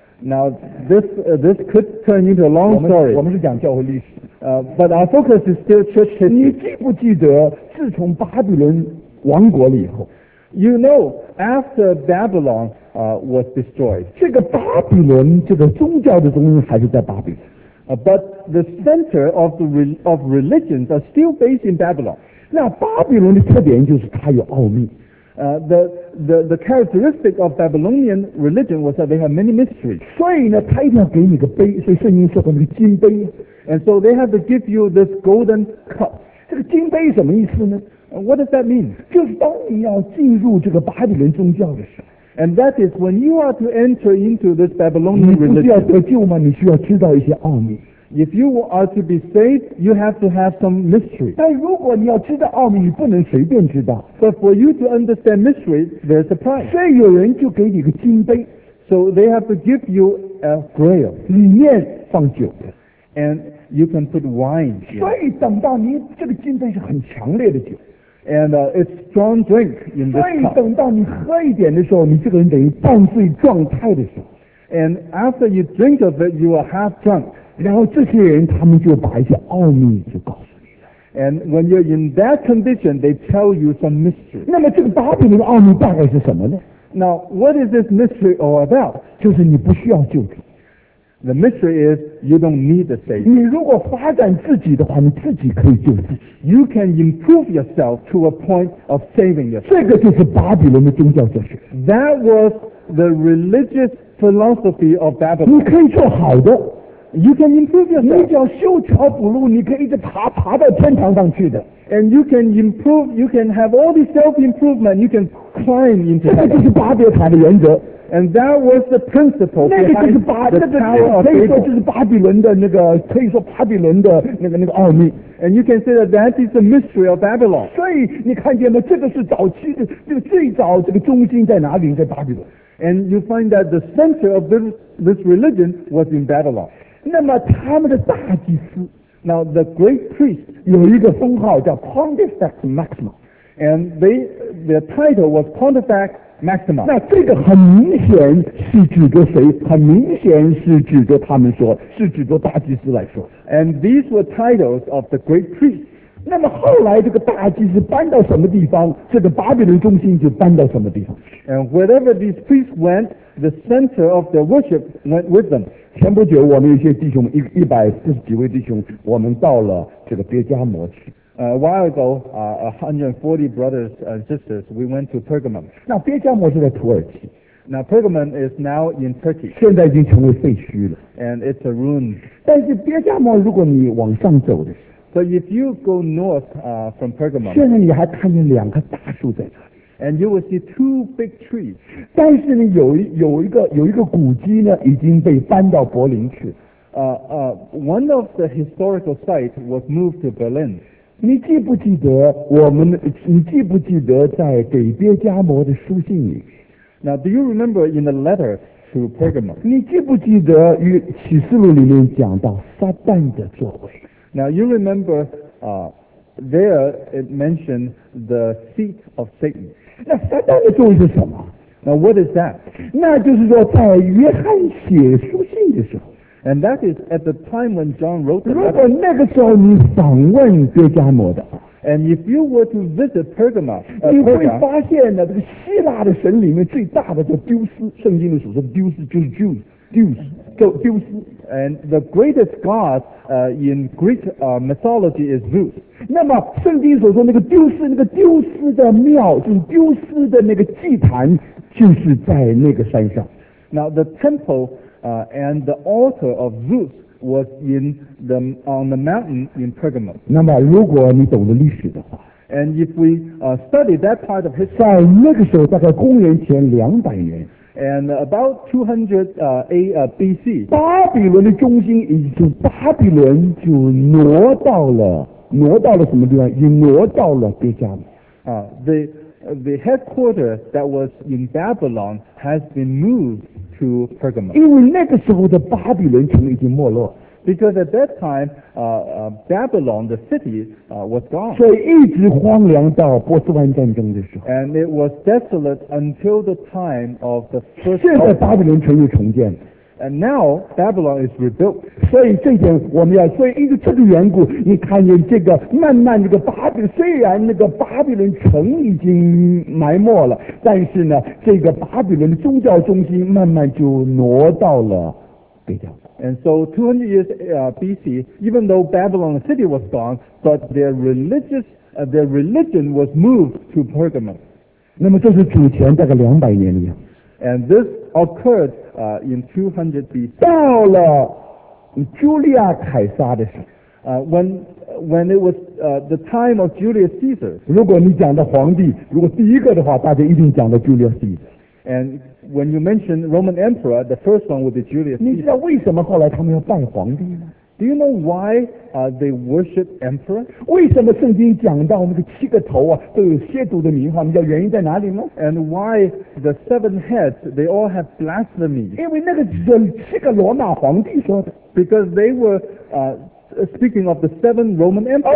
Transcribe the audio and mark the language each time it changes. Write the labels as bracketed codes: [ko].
[en] Now, this could turn into a long story. [zh] 我们是讲教会历史。 [en] But our focus is still church history. [zh] 你记不记得自从巴比伦王国了以后， [en] You know, after Babylon was destroyed, [zh] 这个巴比伦，这个宗教的中心还是在巴比伦。 [en] But the center of the of religions are still based in Babylon. [zh] 那巴比伦的特点就是它有奥秘。 [en] The characteristic of Babylonian religion was that they have many mysteries. [zh] 所以呢，他一定要给你个杯，所以圣经说的那个金杯。 [en] And so they have to give you this golden cup. [zh] 这个金杯什么意思呢？ [en] What does that mean? [zh] 就是当你要进入这个巴比伦宗教的时候。 [en] And that is when you are to enter into this Babylonian religion. [zh] 你不是要得救吗？你需要知道一些奥秘。 [en] If you are to be saved, you have to have some mystery. [zh] 但如果你要知道奥秘，你不能随便知道。 [en] But for you to understand mystery, there's a price. [zh] 所以有人就给你个金杯。 [en] So they have to give you a grail. [zh] 里面放酒的。 [en] And you can put wine. [zh] 所以等到你这个金杯是很强烈的酒。 [en] And it's strong drink in this cup. [zh] 所以等到你喝一点的时候，你这个人等于半醉状态的时候。 [en] And after you drink of it, you are half drunk. [zh] 然后这些人他们就把一些奥秘就告诉你了。 [en] And when you're in that condition, they tell you some mystery. [zh] 那么这个巴比伦的奥秘大概是什么呢？ [en] Now, what is this mystery all about? [zh] 就是你不需要救主。 [en] The mystery is you don't need the Savior. [zh] 你如果发展自己的话，你自己可以救自己。 [en] You can improve yourself to a point of saving yourself. [zh] 这个就是巴比伦的宗教哲学。 [en] That was the religious philosophy of Babylon. [zh] 你可以做好的。 [en] You can improve yourself. [zh] 你只要修桥补路，你可以一直爬，爬到天堂上去的。 [en] And you can improve. You can have all these self-improvement. You can climb into. [zh] 这个就是巴别塔的原则。 [en] And that was the principle behind the tower of Babel. [zh] 那个就是巴，那个可以说就是巴比伦的那个，可以说巴比伦的那个奥秘。 [en] And you can say that that is the mystery of Babylon. [zh] 所以你看见吗？这个是早期的，这个最早这个中心在哪里？在巴比伦。 [en] And you find that the center of this religion was in Babylon. [zh] 那么他们的大祭司 [en] ，Now the great priest [zh] 有一个封号叫 Pontifex Maximus, [en] and their title was Pontifex. Maximum. [zh] 那这个很明显是指着谁？很明显是指着他们说，是指着大祭司来说。 [en] And these were titles of the great priest. [zh] 那么后来这个大祭司搬到什么地方，这个巴比伦中心就搬到什么地方。 [en] And wherever these priests went, the center of their worship went with them. [zh] 前不久我们一些弟兄，一百四十几位弟兄，我们到了这个别加摩去。 [en] A while ago, 140 brothers and sisters, we went to Pergamum. [zh] 那别加摩是在土耳其。 [en] Now Pergamum is now in Turkey. [zh] 现在已经成为废墟了。 [en] And it's a ruin. [zh] 但是别加摩，如果你往上走的时候。 [en] But if you go north, from Pergamum. [zh] 现在你还看见两棵大树在那里。 [en] And you will see two big trees. [zh] 但是呢，有一个古迹呢，已经被搬到柏林去。 [en] One of the historical sites was moved to Berlin. [zh] 你记不记得你记不记得在给别加摩的书信里 [en] ？Now, do you remember in the letter to Pergamum? [zh] 你记不记得与启示录里面讲到撒旦的作为 [en] ？Now, you remember, there it mentioned the seat of Satan. [zh] 那撒旦的作为是什么 [en] ？Now, what is that? [zh] 那就是说，在约翰写书信的时候。 [en] And that is at the time when John wrote the letter. [zh] 如果那个时候你访问别加摩的 [en] ，And if you were to visit Pergamum, [zh] 你会发现呢，这个希腊的神里面最大的叫丢斯，圣经里所说的丢斯就是 Zeus, 丢斯。 [en] And the greatest god, in Greek, mythology is Zeus. [zh] 那么圣经所说那个丢斯，那个丢斯的庙，就是丢斯的那个祭坛，就是在那个山上。 [en] Now the temple. And the altar of Zeus was on the mountain in Pergamum. [zh] 那么如果你懂得历史的话 [en] ，And if we study that part of history, [zh] 在那个时候大概公元前两百年 [en] ，And about 200 BC, [zh] 巴比伦的中心已经巴比伦就挪到了什么地方？已经挪到了别加摩。 [en] The headquarter that was in Babylon has been moved to Pergamum. [zh] 因为那个时候的巴比伦城已经没落。 [en] Because at that time, Babylon, the city, was gone. [zh] 所以一直荒凉到波斯湾战争的时候。 [en] And it was desolate until the time of the first. [zh] 现在巴比伦城又重建。 [en] And now Babylon is rebuilt. [zh] 所以这点我们要，所以因为这个缘故，你看见这个慢慢这个巴比，虽然那个巴比伦城已经埋没了，但是呢，这个巴比伦的宗教中心慢慢就挪到了北疆。 [en] And so 200 years BC, even though Babylon city was gone, but their religion was moved to Pergamum. [zh] 那么这是主前大概两百年的样子。 [en] And this occurred in 200 BC. [zh] 到了朱利亚凯撒的时候 [en] when it was the time of Julius Caesar. [zh] 如果你讲的皇帝，如果第一个的话，大家一定讲的 Julius Caesar. [en] And when you mention Roman Emperor, the first one would be Julius Caesar. [zh] 你知道为什么后来他们要拜皇帝吗？ [en] Do you know why they worship emperor? [zh] 为什么圣经讲到那个七个头啊都有亵渎的名号？你知道原因在哪里吗 [en] ？And why the seven heads they all have blasphemy? [zh] 因为那个是七个罗马皇帝说的。 [en] Because they were speaking of the seven Roman emperors.